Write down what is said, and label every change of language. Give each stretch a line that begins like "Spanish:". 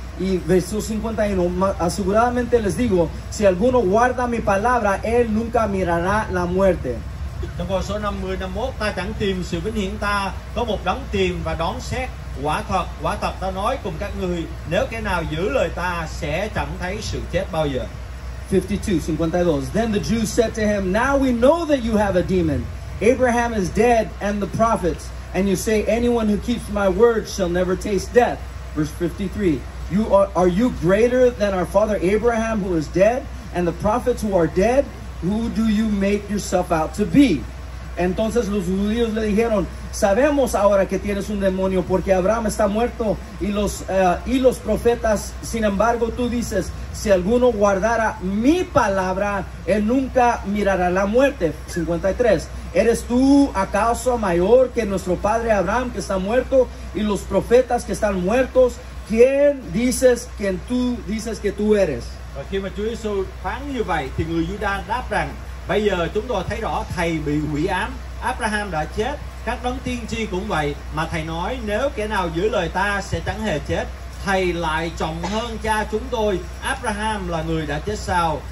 Spanish: Y verso 51, aseguradamente les digo, si alguno guarda mi palabra, él nunca mirará la muerte.
Vietnamese: Trong câu số 50-51, ta chẳng tìm sự vinh hiển ta, có một đấng tìm và đón xét. Quả thật ta nói cùng các người, nếu kẻ nào giữ lời ta, sẽ chẳng thấy sự chết bao giờ.
English: 52, 52, then the Jews said to him, now we know that you have a demon. Abraham is dead and the prophets, and you say anyone who keeps my word shall never taste death. Verse 53. Are you greater than our father Abraham, who is dead, and the prophets who are dead? Who do you make yourself out to be?
Spanish: Entonces los judíos le dijeron, sabemos ahora que tienes un demonio porque Abraham está muerto y los profetas. Sin embargo, tú dices, si alguno guardara mi palabra, él nunca mirará la muerte. 53. ¿Eres tú acaso mayor que nuestro padre Abraham, que está muerto, y los profetas que están muertos? ¿Quién dices que tú dices que tú eres?
Vietnamese: Khi mà Chúa Giêsu phán như vậy thì người Giu-đa đáp rằng: Bây giờ chúng tôi thấy rõ thầy bị quỷ ám, Abraham đã chết, các đấng tiên tri cũng vậy, mà thầy nói nếu kẻ nào giữ lời ta sẽ chẳng hề chết, thầy lại trọng hơn cha chúng tôi, Abraham là người đã chết sao?